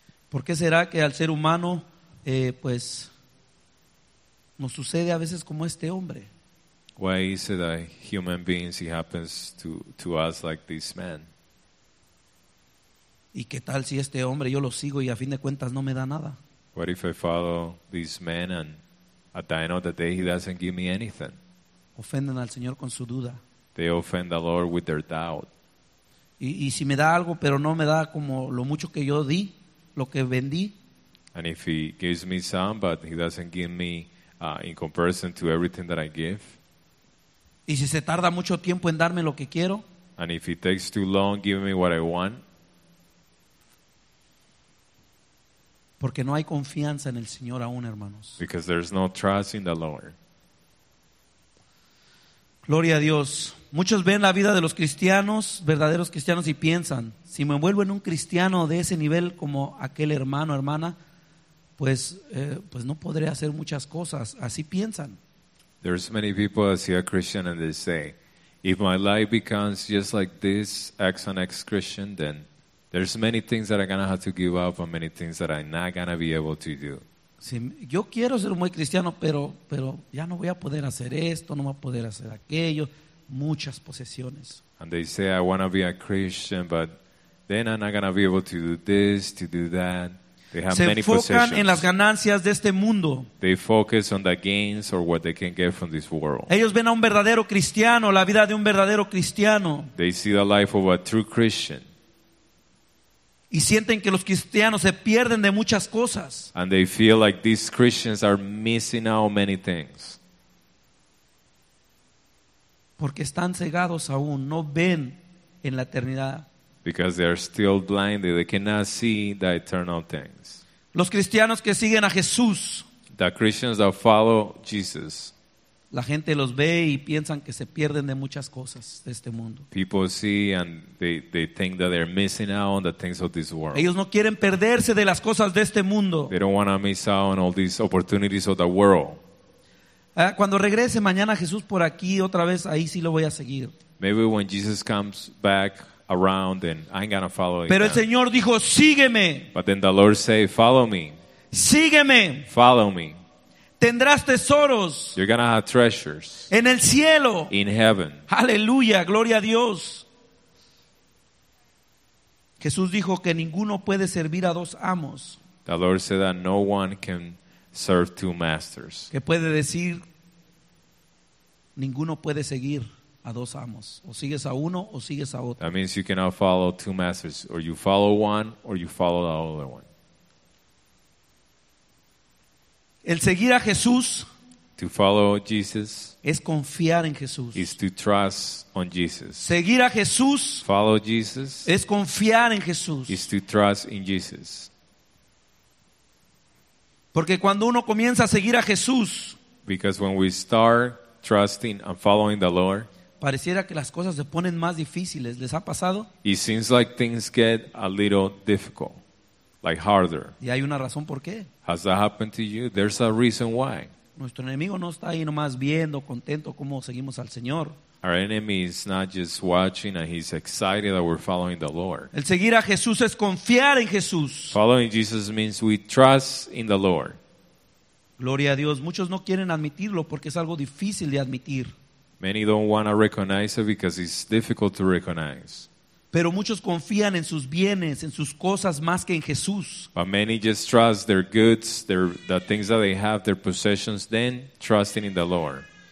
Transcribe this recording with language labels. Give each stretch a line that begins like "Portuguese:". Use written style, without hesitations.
Spanish: ¿Por qué será que al ser humano, pues, nos sucede a veces como este hombre?
English: Why is it that human beings, it happens to us like this man?
Spanish: ¿Y qué tal si este hombre, yo lo sigo y a fin de cuentas no me da nada?
English: What if I follow this man and at the end of the day he doesn't give me anything?
Spanish: Ofenden al Señor con su duda.
English: They offend the Lord with their doubt.
Spanish: Y si me da algo, pero no me da como lo mucho que yo di, lo que vendí.
English: And if he gives me some, but he doesn't give me in comparison to everything that I give.
Spanish: Y si se tarda mucho tiempo en darme lo que quiero.
English: And if he takes too long giving me what I want.
Spanish: Porque no hay confianza en el Señor aún, hermanos.
English: Because there's no trust in the Lord.
Spanish: Gloria a Dios. Muchos ven la vida de los cristianos, verdaderos cristianos, y piensan, si me vuelvo en un cristiano de ese nivel como aquel hermano o hermana, pues no podré hacer muchas cosas. Así piensan.
English: There's many people that see a Christian and they say, if my life becomes just like this ex and ex Christian, then there's many things that I'm going to have to give up and many things that I'm not going to be able to do.
Spanish: Sí, yo quiero ser muy cristiano, pero ya no voy a poder hacer esto, no voy a poder hacer aquello, muchas posesiones.
English: And they say, I want to be a Christian, but then I'm not going to be able to do this, to do that. They have
Spanish: Se
English: many
Spanish: enfocan
English: possessions.
Spanish: En las ganancias de este mundo.
English: They focus on the gains or what they can get from this world.
Spanish: Ellos ven a un verdadero cristiano, la vida de un verdadero cristiano.
English: They see the life of a true Christian.
Spanish: Y sienten que los cristianos se pierden de muchas cosas.
English: And they feel like these Christians are missing out many things.
Spanish: Porque están cegados aún, no ven en la eternidad.
English: Because they are still blinded, they cannot see the eternal things.
Spanish: Los cristianos que siguen a Jesús.
English: The Christians that follow Jesus.
Spanish: La gente los ve y piensan que se pierden de muchas cosas de este mundo.
English: People see and they think that they're missing out on the things of this world.
Spanish: Ellos no quieren perderse de las cosas de este mundo.
English: They don't want to miss out on all these opportunities of the world.
Spanish: Cuando regrese mañana Jesús por aquí otra vez, ahí sí lo voy a seguir.
English: Maybe when Jesus comes back around, then I'm gonna follow him.
Spanish: Pero el Señor dijo, sígueme.
English: But then the Lord said, follow me.
Spanish: Sígueme.
English: Follow me.
Spanish: Tendrás tesoros.
English: You're gonna have treasures.
Spanish: En el cielo.
English: In heaven.
Spanish: Aleluya, gloria a Dios. Jesús dijo que ninguno puede servir a dos amos.
English: The Lord said that no one can serve two masters.
Spanish: ¿Qué puede decir? Ninguno puede seguir a dos amos. O sigues a uno o sigues a otro.
English: That means you cannot follow two masters. Or you follow one or you follow the other one.
Spanish: El seguir a Jesús,
English: to follow Jesus,
Spanish: es confiar en Jesús.
English: Is to trust on Jesus.
Spanish: Seguir a Jesús,
English: follow Jesus,
Spanish: es confiar en Jesús.
English: Is to trust in Jesus.
Spanish: Porque cuando uno comienza a seguir a Jesús,
English: because when we start trusting and following the Lord,
Spanish: pareciera que las cosas se ponen más difíciles. ¿Les ha pasado?
English: It seems like things get a little difficult. Like harder.
Spanish: Y hay una razón por qué.
English: Has that happened to you? There's a reason why.
Spanish: Nuestro enemigo no está ahí nomás viendo, contento cómo seguimos al Señor.
English: Our enemy is not just watching and he's excited that we're following the Lord.
Spanish: El seguir a Jesús es confiar en Jesús.
English: Following Jesus means we trust in the Lord.
Spanish: Gloria a Dios. Muchos no quieren admitirlo porque es algo difícil de admitir.
English: Many don't want to recognize it because it's difficult to recognize.
Spanish: Pero muchos confían en sus bienes, en sus cosas más que en Jesús.
English: But many just trust their goods, the things that they have, their possessions, then trusting in the Lord.